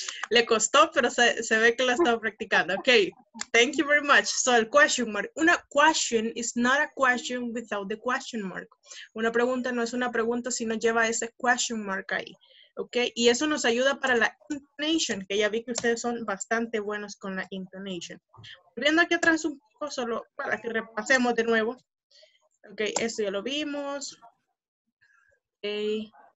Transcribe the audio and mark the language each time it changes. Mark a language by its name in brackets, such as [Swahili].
[Spanish] Le costó, pero se ve que lo estaba practicando. [English] Ok. Thank you very much. So, el question mark. Una question is not a question without the question mark. [Spanish] Una pregunta no es una pregunta si no lleva ese question mark ahí. Ok. Y eso nos ayuda para la intonation, que ya vi que ustedes son bastante buenos con la intonation. Volviendo aquí atrás un poco, solo para que repasemos de nuevo. Ok, esto ya lo vimos. Okay.